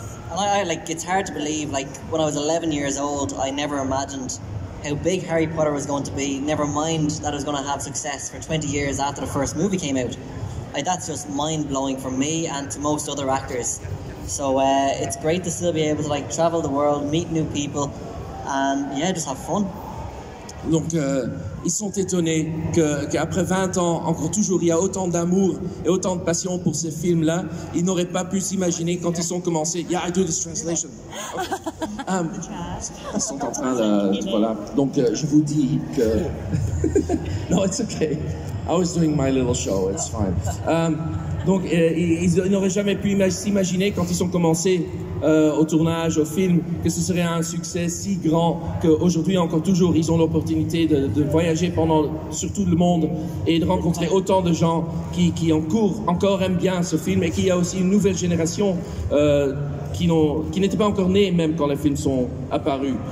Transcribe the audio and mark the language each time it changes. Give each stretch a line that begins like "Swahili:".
English: And I like, it's hard to believe, like when I was 11 years old, I never imagined how big Harry Potter was going to be, never mind that it was going to have success for 20 years after the first movie came out. Like, that's just mind-blowing for me and to most other actors. So it's great to still be able to like travel the world, meet new people, and yeah, just have fun.
French: Donc, ils sont étonnés qu'après 20 ans, encore toujours, il y a autant d'amour et autant de passion pour ces films-là. Ils n'auraient pas pu s'imaginer quand ils sont commencés.
English: Yeah, I do this translation. Okay.
French: Ils sont en train de... voilà. Donc, je vous dis que...
English: no, it's okay. I was doing my little show, it's fine.
French: Donc, ils n'auraient jamais pu s'imaginer quand ils sont commencés au tournage, au film, que ce serait un succès si grand qu'aujourd'hui, encore toujours, ils ont l'opportunité de voyager pendant, sur tout le monde et de rencontrer autant de gens qui en cours, encore aiment bien ce film et qu'il y a aussi une nouvelle génération qui n'était pas encore née même quand les films sont apparus.